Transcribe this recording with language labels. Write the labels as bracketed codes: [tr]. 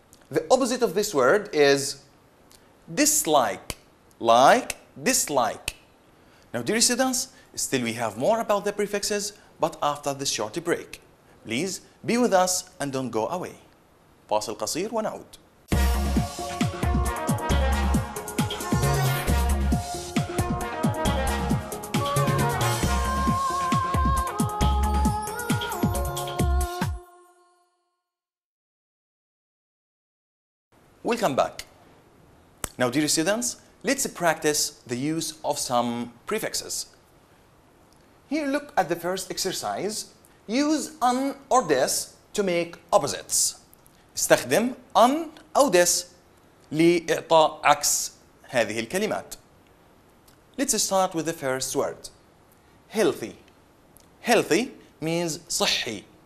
[en] The opposite of this word is dislike. Like, dislike. Now, dear students, still we have more about the prefixes, but after this short break. Please, be with us and don't go away. [ar] فاصل قصير ونعود. [en] Welcome back. Now, dear students, let's practice the use of some prefixes. Here, look at the first exercise. Use un or this to make opposites. [ar] استخدم un أو this لإعطاء عكس هذه الكلمات. [en] Let's start with the first word. Healthy. Healthy means [ar] صحي.